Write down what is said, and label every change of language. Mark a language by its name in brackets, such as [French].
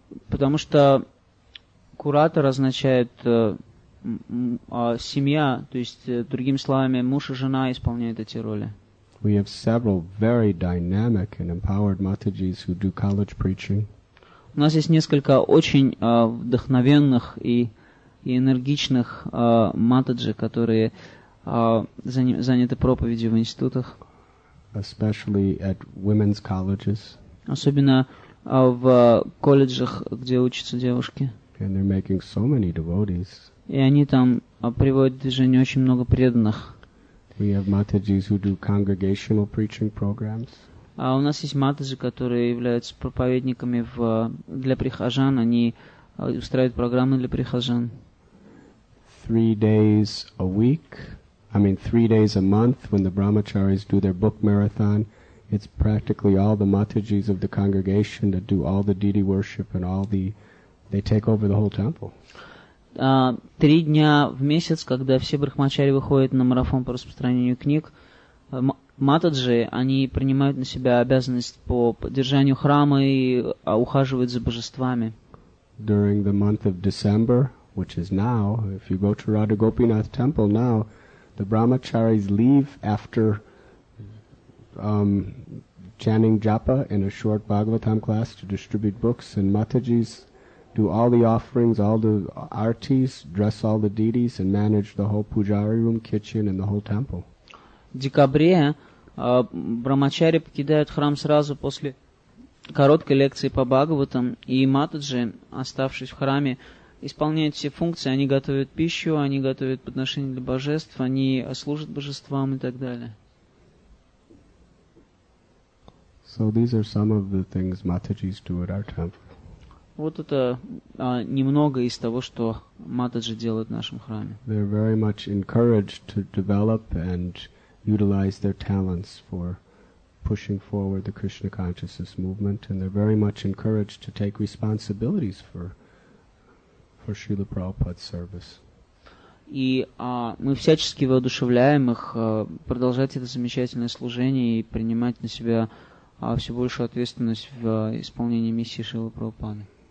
[Russian] Потому что куратор означает семья, то есть другими словами, муж и жена исполняют эти роли. [English] We have several very dynamic and empowered Matajis who do college preaching. [Russian] У нас есть несколько очень вдохновенных и энергичных Матаджи, которые заняты проповедью в институтах. [English] Especially at women's colleges. [Russian] Особенно в колледжах, где учатся девушки. [English] And they're making so many devotees. [Russian] И они там приводят в движение очень много преданных. [English] We have Matajis who do congregational preaching programs. [Russian] А у нас есть матаджи, которые являются проповедниками в для прихожан. Они устраивают программы для прихожан. [English] 3 days a week. I mean, 3 days a month when the brahmacharis do their book marathon. It's practically all the matajis of the congregation that do all the deity worship and all the... They take over the whole temple. [Russian] 3 дня в месяц, когда все брахмачари выходят на марафон по распространению книг, матаджи, они принимают на себя обязанность по поддержанию храма и ухаживают за божествами. [English] During the month of December, which is now, if you go to Radha Gopinath temple now, the brahmacharis leave after chanting japa in a short Bhagavatam class to distribute books, and matajis do all the offerings, all the artis, dress all the deities, and manage the whole pujari room, kitchen, and the whole temple. [Russian] В декабре брахмачари покидают храм сразу после короткой лекции по Бхагаватам, и матаджи, оставшись в храме, исполняют все функции, они готовят пищу, они готовят подношения для божеств, они служат божествам и так далее. [English] So these are some of the things Matajis do at our temple. [Russian] Вот это немного из того, что матаджи делают в нашем храме. [English] They're very much encouraged to develop and utilize their talents for pushing forward the Krishna consciousness movement, and they're very much encouraged to take responsibilities for Srila Prabhupada's service. [Russian] И мы всячески воодушевляем их продолжать это замечательное служение и принимать на себя все большую ответственность в исполнении миссии Шрилы Прабхупады.